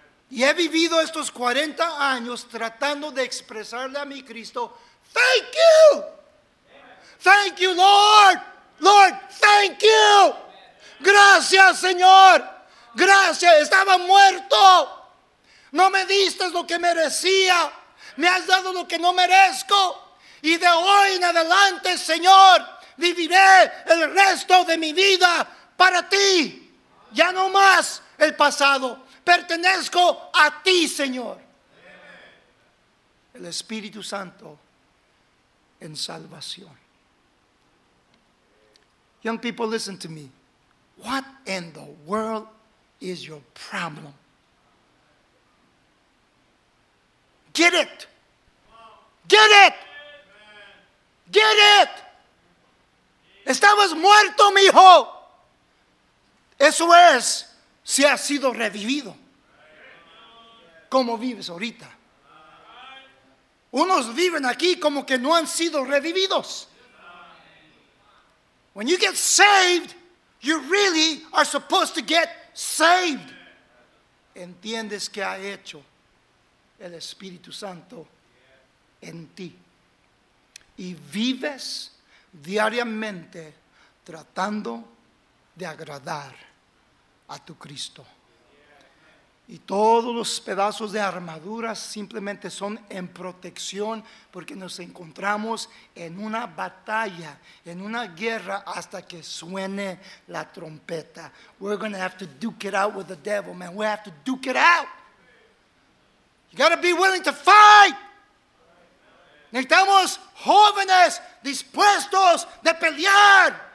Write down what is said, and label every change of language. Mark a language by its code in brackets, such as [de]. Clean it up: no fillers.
[es] Y he vivido estos 40 años tratando de expresarle a mi Cristo: [en] thank you, thank you [es] Lord, Lord, thank you, gracias Señor, gracias, estaba muerto, no me diste lo que merecía, me has dado lo que no merezco, y de hoy en adelante Señor viviré el resto de mi vida para ti, ya no más el pasado. Pertenezco a ti, Señor. El Espíritu Santo en salvación. [en] Young people, listen to me. What in the world is your problem? Get it. Get it. Get it. [es] Estabas muerto, mijo. Eso es si has sido revivido. ¿Cómo vives ahorita? Unos viven aquí como que no han sido revividos. [en] When you get saved, you really are supposed to get saved. [es] ¿Entiendes qué ha hecho el Espíritu Santo en ti? Y vives diariamente tratando de agradar a tu Cristo. Y todos los pedazos de armadura simplemente son en protección, porque nos encontramos en una batalla, en una guerra, hasta que suene la trompeta. [en] We're going to have to duke it out with the devil, man. We have to duke it out. You got to be willing to fight. [es] Necesitamos jóvenes dispuestos de pelear.